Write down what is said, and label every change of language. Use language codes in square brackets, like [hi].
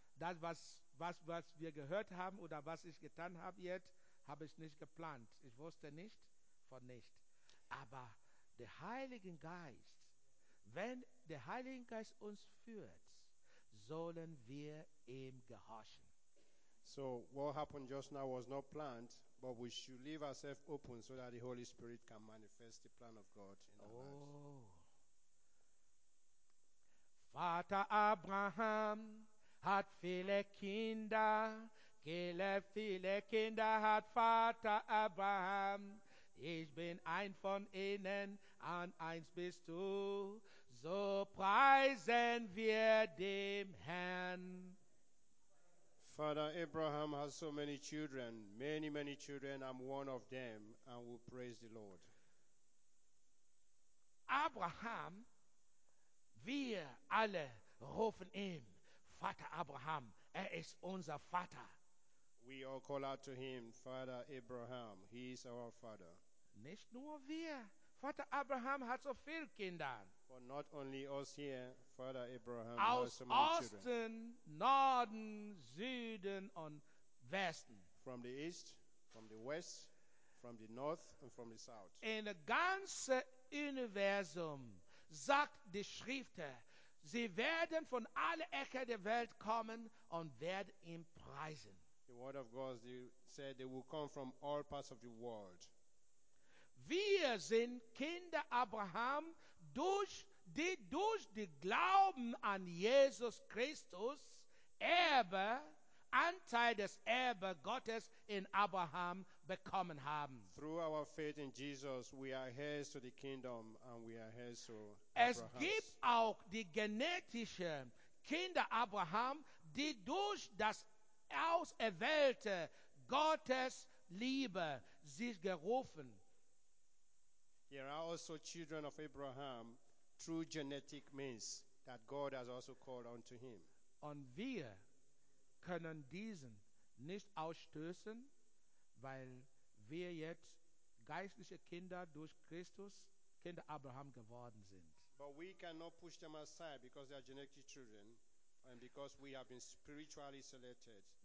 [de] Das, was wir gehört haben oder was ich getan habe jetzt, habe ich nicht geplant. Ich wusste nicht von nicht. Aber der Heilige Geist, wenn der Heilige Geist uns führt, sollen wir ihm gehorchen. [en] So what happened just now was not planned, but we should leave ourselves open so that the Holy Spirit can manifest the plan of God in our lives. [de] Vater Abraham hat viele Kinder, viele Kinder hat Vater Abraham. Ich bin ein von ihnen, an eins bist du. So preisen wir dem Herrn. [en] Father Abraham has so many children, many, many children. I'm one of them, and we praise the Lord. [de] Abraham, wir alle rufen ihm, Vater Abraham, ist unser Vater. [en] We all call out to him, Father Abraham, he is our father. [de] Nicht nur wir, Vater Abraham hat so viele Kinder. [en] But not only us here, Father Abraham [de] aus [en] has so many [de] Osten, [en] children. [de] Norden, Süden und Westen. [en] From the east, from the west, from the north and from the south. In the [de] ganze Universum sagt die Schrift, sie werden von alle Ecke der Welt kommen und werden ihn preisen. [en] The word of God said they will come from all parts of the world. [de] Wir sind Kinder Abraham, durch die Glauben an Jesus Christus, Erbe, Anteil des Erbe Gottes in Abraham bekommen haben. [en] Through our faith in Jesus, we are heirs to the kingdom and we are heirs to Abraham. [de] Es gibt auch die genetische Kinder Abraham, die durch das Auserwählte Gottes Liebe sich gerufen. [en] There are also children of Abraham through genetic means that God has also called unto him. [de] Und wir können diesen nicht ausstößen, weil wir jetzt geistliche Kinder durch Christus, Kinder Abraham geworden sind. [en] But we cannot push them aside because they are genetic children and because we have been spiritually selected.